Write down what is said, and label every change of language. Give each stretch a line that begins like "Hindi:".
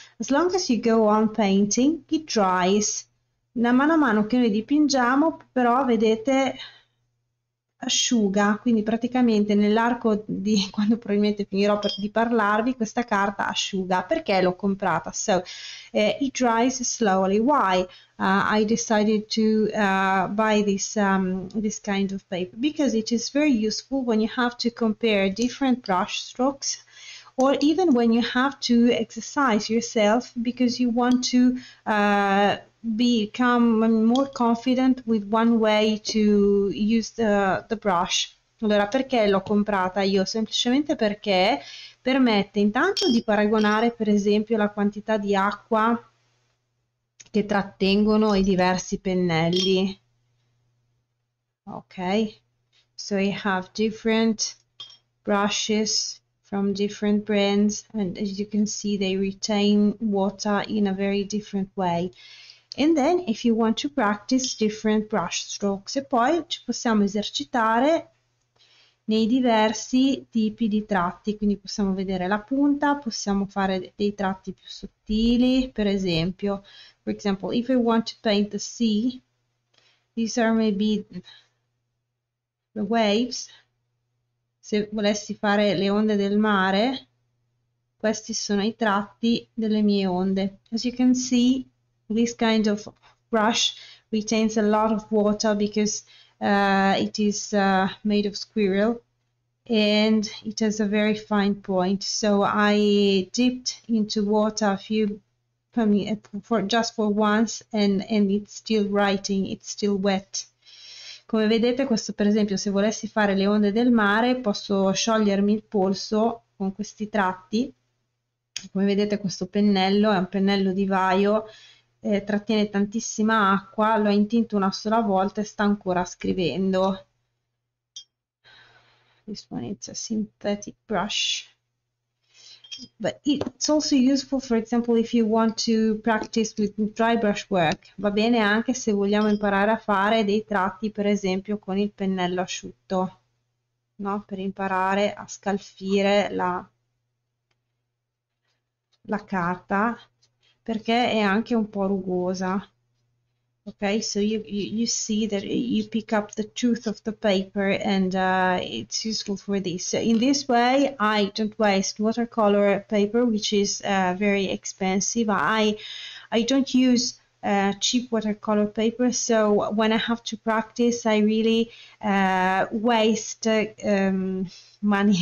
English: As long as you go on painting, it dries.
Italian: Man mano che noi dipingiamo, però vedete, asciuga. Quindi praticamente nell'arco di quando probabilmente finirò di parlarvi, questa carta asciuga. Perché l'ho comprata?
English: So, it dries slowly. Why? I decided to buy this kind of paper because it is very useful when you have to compare different brush strokes, or even when you have to exercise yourself because you want to become more confident with one way to use the brush.
Italian: Allora, perché l'ho comprata io? Semplicemente perché permette intanto di paragonare, per esempio, la quantità di acqua che trattengono i diversi pennelli.
English: Ok, so you have different brushes from different brands, and as you can see, they retain water in a very different way. And then, if you want to practice different brush strokes,
Italian: e poi ci possiamo esercitare nei diversi tipi di tratti. Quindi possiamo vedere la punta, possiamo fare dei tratti più sottili, per esempio.
English: For example, if we want to paint the sea, these are maybe the waves.
Italian: Se volessi fare le onde del mare, questi sono i tratti delle mie onde.
English: As you can see, this kind of brush retains a lot of water because it is made of squirrel. And it has a very fine point. So I dipped into water a few just for once, and it's still writing, it's still wet.
Italian: Come vedete, questo per esempio, se volessi fare le onde del mare, posso sciogliermi il polso con questi tratti. Come vedete, questo pennello è un pennello di vaio, trattiene tantissima acqua, l'ho intinto una sola volta e sta ancora scrivendo.
English: This one is a synthetic brush. But it's also useful, for example, if you want to practice with dry brush work.
Italian: Va bene anche se vogliamo imparare a fare dei tratti, per esempio, con il pennello asciutto, no? Per imparare a scalfire la carta, perché è anche un po' rugosa.
English: Okay, so you see that you pick up the tooth of the paper, and it's useful for this. So in this way, I don't waste watercolor paper, which is very expensive. I don't use cheap watercolor paper, so when I have to practice, I really waste money.